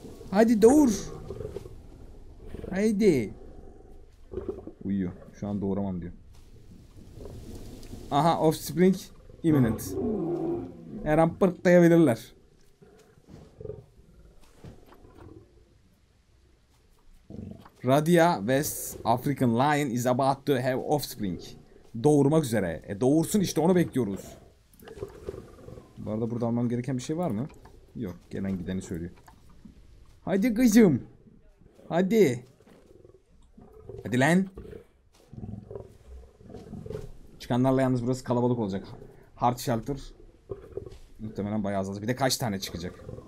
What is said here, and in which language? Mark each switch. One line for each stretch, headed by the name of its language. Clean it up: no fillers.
Turkish: Hadi doğur. Haydi. Uyuyor. Şu an doğuramam diyor.
English: Aha, offspring imminent.
Turkish: Her an pırtlayabilirler.
English: Radia West African Lion is about to have offspring.
Turkish: Doğurmak üzere. E doğursun işte, onu bekliyoruz. Bu arada burada almam gereken bir şey var mı? Yok. Gelen gideni söylüyor. Hadi kızım. Hadi. Hadi lan. Çıkanlarla yalnız burası kalabalık olacak. Hard shelter. Muhtemelen bayağı azalacak. Bir de kaç tane çıkacak?